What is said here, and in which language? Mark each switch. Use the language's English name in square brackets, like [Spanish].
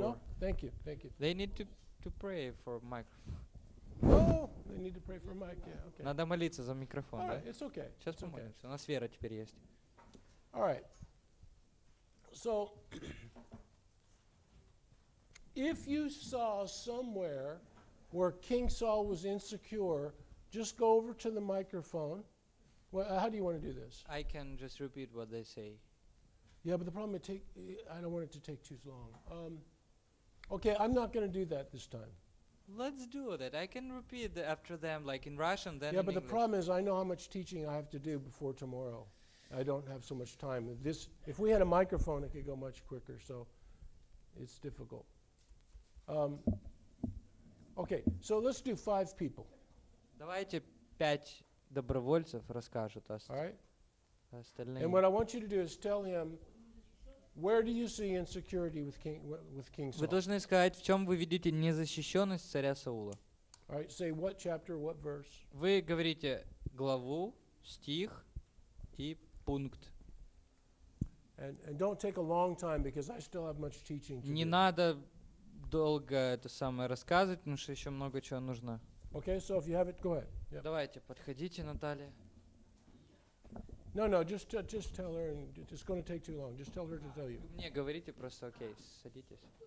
[English] No, thank you, thank you. They need to pray for a microphone. Oh, they need to pray for a mic, yeah, okay. [Russian] Надо молиться за микрофон, да? [English] All right, it's okay. [Russian] Сейчас помолимся, у нас вера теперь есть. [English] All right. So, if you saw somewhere where King Saul was insecure, just go over to the microphone. Well, how do you want to do this? I can just repeat what they say. Yeah, but the problem is, I don't want it to take too long. Okay, I'm not going to do that this time. Let's do that. I can repeat after them, like in Russian, then yeah, in but English. The problem is, I know how much teaching I have to do before tomorrow. I don't have so much time. This, if we had a microphone, it could go much quicker, so it's difficult. Okay, so let's do five people. [Russian] Давайте пять добровольцев расскажут. [English] All right. And what I want you to do is tell him, where do you see insecurity with King Saul? [Russian] Вы должны сказать, в чем вы видите незащищенность царя Саула. [English] All right, say what chapter, what verse. [Russian] Вы говорите главу, стих и пункт. [English] And don't take a long time because I still have much teaching to do. [Russian] Не надо долго это самое рассказывать, потому что еще много чего нужно. [English] Okay, so if you have it, go ahead. Yep. [Russian] Давайте, подходите, Наталья. [English] No, just tell her, and it's going to take too long. Just tell her to tell you. [Russian] Мне говорите просто, окей, садитесь.